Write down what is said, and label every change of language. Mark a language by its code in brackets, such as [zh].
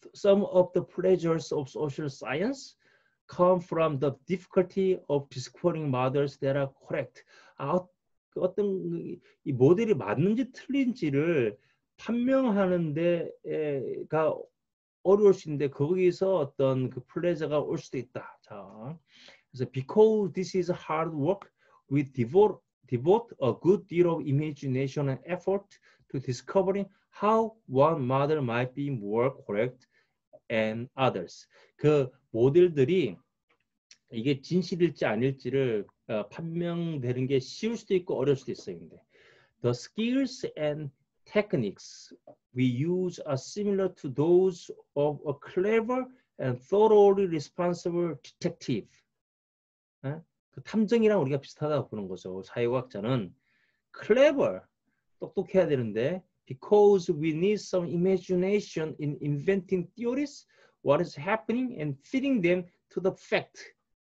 [en] Some of the pleasures of social science come from the difficulty of discovering models that are correct. [ko] 어떤 이 모델이 맞는지 틀린지를 판명하는데가 어려울 수 있는데 거기서 어떤 그 플레저가 올 수도 있다. [en] 자, [ko] 그래서 [en] because this is hard work, we devote a good deal of imagination and effort to discovering how one model might be more correct than others. [ko] 그 모델들이 이게 진실일지 아닐지를 판명되는 게 쉬울 수도 있고 어려울 수도 있어요. 근데 [en] the skills and techniques we use are similar to those of a clever and thoroughly responsible detective. [ko] 네? 그 탐정이랑 우리가 비슷하다고 보는 거죠. 사회과학자는 [en] clever, [ko] 똑똑해야 되는데 [en] because we need some imagination in inventing theories, what is happening and fitting them to the fact.